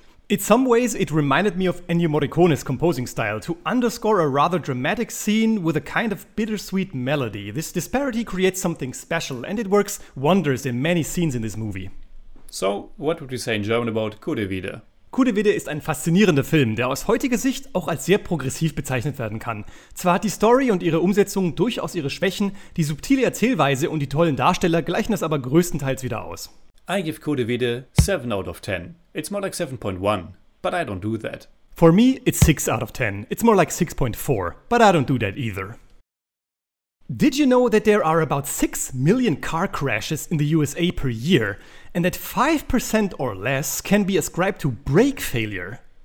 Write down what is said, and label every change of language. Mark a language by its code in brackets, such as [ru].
[en] In some ways, it reminded me of Ennio Morricone's composing style, to underscore a rather dramatic scene with a kind of bittersweet melody. This disparity creates something special, and it works wonders in many scenes in this movie. So, what would we say in German about Koodevide? [de] Koodevide ist ein faszinierender Film, der aus heutiger Sicht auch als sehr progressiv bezeichnet werden kann. Zwar hat die Story und ihre Umsetzung durchaus ihre Schwächen, die subtile Erzählweise und die tollen Darsteller gleichen das aber größtenteils wieder aus. [en] I give Koodevide 7 out of 10. It's more like 7.1, but I don't do that. For me, it's 6 out of 10. It's more like 6.4, but I don't do that either. Did you know that there are about 6 million car crashes in the USA per year, and that 5% or less can be ascribed to brake failure?